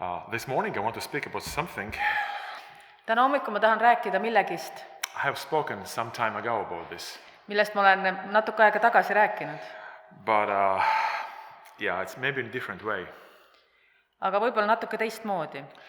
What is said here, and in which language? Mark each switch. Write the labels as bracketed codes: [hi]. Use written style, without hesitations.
[en] This morning I want to speak about something. [et] Täna hommikul ma tahan rääkida millegist. [en] I have spoken some time ago about this. [et] Millest ma olen natuke aega tagasi rääkinud. [en] But, yeah, it's maybe in a different way. [et] Aga võib-olla natuke teistmoodi.